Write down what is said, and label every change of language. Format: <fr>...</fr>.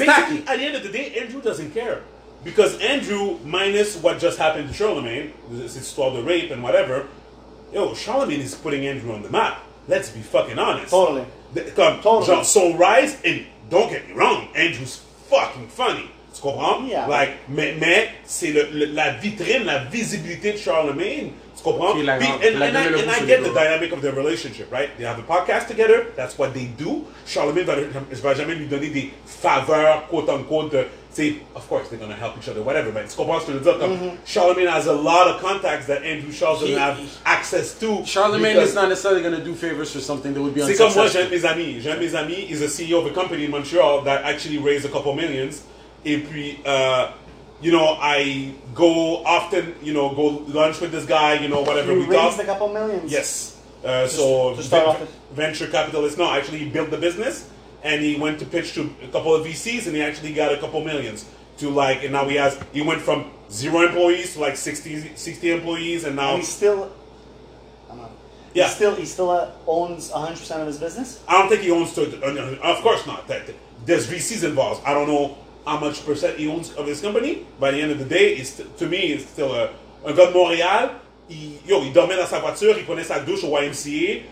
<en>basically, tacky. At the end of the day, Andrew doesn't care. Because Andrew, minus what just happened to Charlemagne, this is all the rape and whatever, yo, Charlemagne is putting Andrew on the map. Let's be fucking honest. Totally. So Rise, and don't get me wrong, Andrew's fucking funny.</en> <fr>Tu comprends?</fr> <en>Yeah.</en> <fr>Like, mais c'est la vitrine, la visibilité de Charlemagne. Tu comprends?</fr> <en>And I get the dynamic of their relationship, right? They have a podcast together. That's what they do.</en> <fr>Charlemagne va jamais lui donner des faveurs, quote unquote, de...</fr> <en>See, of course, they're going to help each other, whatever, but it's Scoboster, mm-hmm. Charlemagne has a lot of contacts that Andrew Shaw doesn't have access to. Charlemagne is not necessarily going to do favors for something that would be unsuccessful.</en> <fr>C'est comme moi,</fr> <en>Jean Mes Amis is a CEO of a company in Montreal that actually raised a couple millions.</en> <fr>Et puis,</fr> <en>you know, I go often, you know, go lunch with this guy, you know, whatever. He raised a couple millions. Yes. Venture capitalist. No, actually, he built the business, and he went to pitch to a couple of VCs, and he actually got a couple millions to, like, and now he has, he went from zero employees to, like, 60 employees, and now... And he's still... Yeah. He still owns 100% of his business? I don't think he owns... of course not. There's VCs involved. I don't know how much percent he owns of his company. By the end of the day, it's still a...</en> <fr>Un gars de Montréal, il dormait dans sa voiture, il prenait sa douche au YMCA.</fr>